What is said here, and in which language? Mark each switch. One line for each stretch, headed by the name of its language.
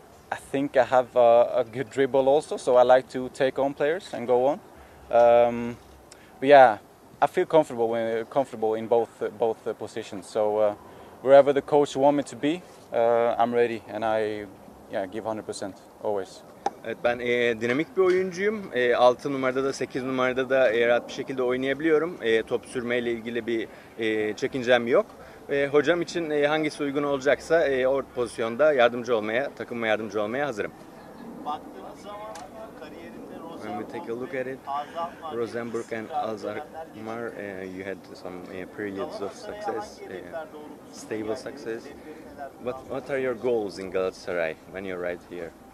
English: I think I have a good dribble also, so I like to take on players and go on. But yeah, I feel comfortable in both positions. So wherever the coach wants me to be, I'm ready and I give 100% always.
Turkish: Evet, ben dinamik bir oyuncuyum. 6 numarada da 8 numarada da rahat bir şekilde oynayabiliyorum. Top sürmeyle ilgili bir çekincem yok. Hocam için hangisi uygun olacaksa o pozisyonda yardımcı olmaya, takıma yardımcı olmaya hazırım. Baktığınız zaman kariyerinde Rosenborg,
English: when we take a look at it, Rosenborg and Alkmaar, you had some periods of success, stable success. What are your goals in Galatasaray when you're right here?